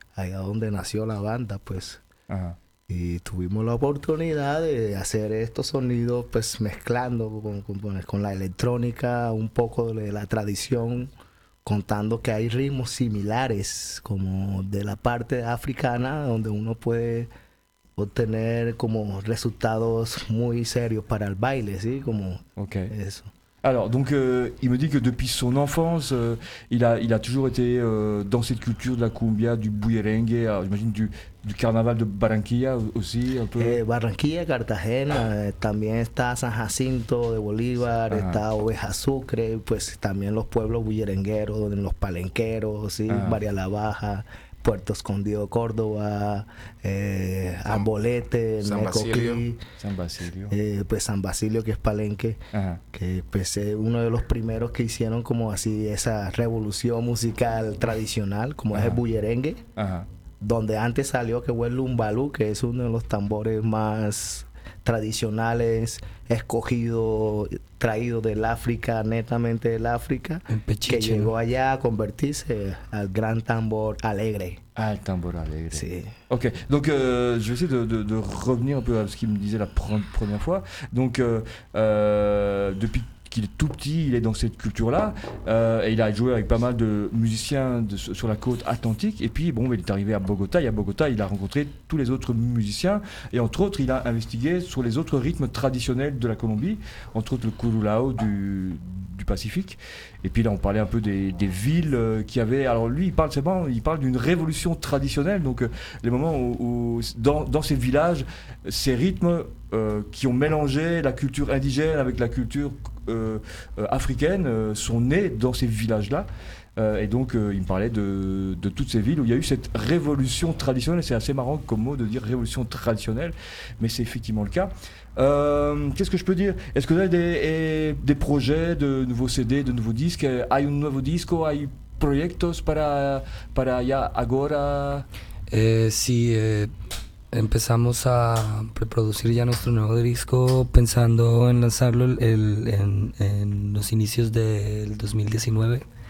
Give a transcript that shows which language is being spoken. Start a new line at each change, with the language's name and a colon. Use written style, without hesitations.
Spanish: allá donde nació la banda, pues. Y tuvimos la oportunidad de hacer estos sonidos, pues mezclando con la electrónica, un poco de la tradición, contando que hay ritmos similares, como de la parte africana, donde uno puede obtener como resultados muy serios para el baile, ¿sí? Como okay. Eso.
French: Alors, donc, il me dit que depuis son enfance, il a toujours été dans cette culture de la cumbia, du bullerengue, j'imagine du carnaval de Barranquilla aussi, un peu.
Spanish: Barranquilla, Cartagena, también está San Jacinto de Bolívar, uh-huh. Está Oveja Sucre, pues también los pueblos bullerengueros, los palenqueros, ¿sí? Uh-huh. María La Baja, Puerto Escondido, Córdoba, Ambolete, Necoclí, San Basilio, pues San Basilio, que es palenque, ajá. Que pues es uno de los primeros que hicieron como así esa revolución musical tradicional, como ajá. Es el bullerengue, ajá. Donde antes salió que fue el lumbalú, que es uno de los tambores más tradicionales, escogido, traído del África, netamente del África, que llegó allá a convertirse al gran tambor alegre. Ah, el tambor alegre. Sí.
French: Ok, donc je vais essayer de revenir un peu à ce qu'il me disait la première fois. Donc, depuis qu'il est tout petit, il est dans cette culture-là, et il a joué avec pas mal de musiciens sur la côte atlantique, et puis bon, il est arrivé à Bogota, et à Bogota, il a rencontré tous les autres musiciens, et entre autres, il a investigué sur les autres rythmes traditionnels de la Colombie, entre autres le curulao du Pacifique, et puis là, on parlait un peu des villes qui avaient... Alors lui, il parle d'une révolution traditionnelle, donc les moments où dans ces villages, ces rythmes qui ont mélangé la culture indigène avec la culture africaine sont nés dans ces villages-là. Et donc, il me parlait de toutes ces villes où il y a eu cette révolution traditionnelle. C'est assez marrant comme mot de dire révolution traditionnelle, mais c'est effectivement le cas. Qu'est-ce que je peux dire? Est-ce que vous avez des projets de nouveaux CD, de nouveaux disques?
Spanish: Hay un nuevo disco? Hay proyectos para ya ahora? Sí, empezamos a preproducir ya nuestro nuevo disco pensando en lanzarlo en los inicios del 2019.